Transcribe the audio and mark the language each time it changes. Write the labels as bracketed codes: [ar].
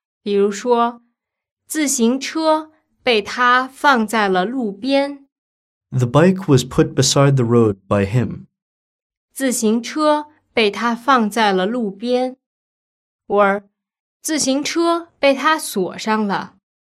[zh] 比如说自行车被他放在了路边。 [en] The bike was put beside the road by him. [zh] 自行车被他放在了路边。 Or, 自行车被他锁上了。